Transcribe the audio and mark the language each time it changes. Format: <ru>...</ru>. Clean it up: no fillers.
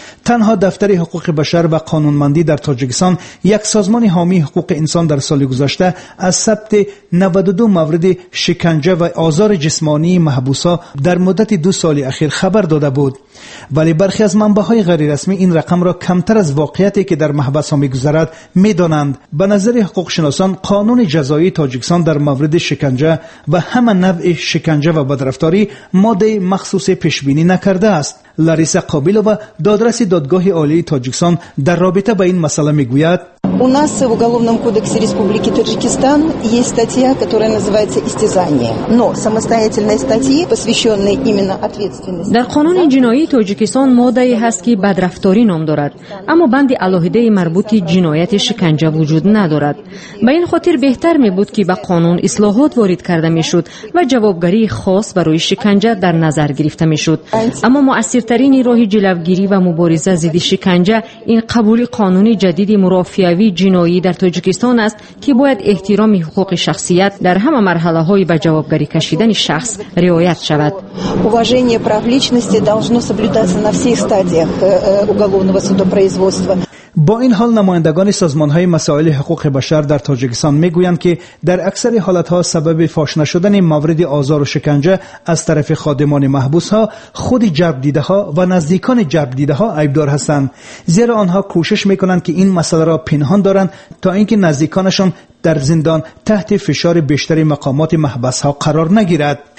<fa>تنها دفتر حقوق بشر و قانونمندی در تاجیکستان یک سازمان حامی حقوق انسان در سال گذشته از ثبت 92 مورد شکنجه و آزار جسمانی محبوسا در مدت 2 سال اخیر خبر داده بود، ولی برخی از منبع‌های غیررسمی این رقم را کمتر از واقعیتی که در محبس‌ها می‌گذرد می‌دانند. به نظر حقوق شناسان قانون جزایی تاجیکستان در مورد شکنجه و همه نوع شکنجه و بدرفتاری ماده مخصوص پیش‌بینی نکرده است. لاریسا قابیلوا دادرس دادگاه عالی تاجیکستان در رابطه با این مسئله میگوید:</fa> <ru>У нас в уголовном кодексе Республики Таджикистан есть статья, которая называется истязание, но самостоятельная статья, посвящённая именно ответственности.</ru> <tg>Дар қонуни ҷиноии Тоҷикистон моддае ҳаст, ки бадрафторӣ ном дорад, аммо банди алоҳидаи марбути ҷинояти шиканҷа вуҷуд надорад. Ба ин хотир беҳтар мебуд, ки ба қонун ислоҳот ворид карда мешуд ва ҷавобгарии хос барои шиканҷа дар назар гирифта мешуд. Аммо муассиртарин роҳи ҷилавгирӣ ва мубориза зидди шиканҷа ин қабули қонуни ҷадиди мурофиа</tg> <fa>وی جنایی در تاجیکستان است که باید احترام حقوق شخصیت در همه مرحله های به جوابگری کشیدن شخص رعایت شود.</fa> <ru>уважение прав личности должно соблюдаться на всех стадиях уголовного судопроизводства.</ru> <fa>با این حال نمایندگان سازمان‌های مسائل حقوق بشر در تاجیکستان می‌گویند که در اکثر حالت‌ها سبب فاش نشدن موارد آزار و شکنجه از طرف خادمان محبوس‌ها خود جبردیده‌ها و نزدیکان جبردیده‌ها عیب‌دار هستند، زیرا آنها کوشش می‌کنند که این مسئله را پنهان دارند تا اینکه نزدیکانشان در زندان تحت فشار بیشتر مقامات محبس ها قرار نگیرد.</fa>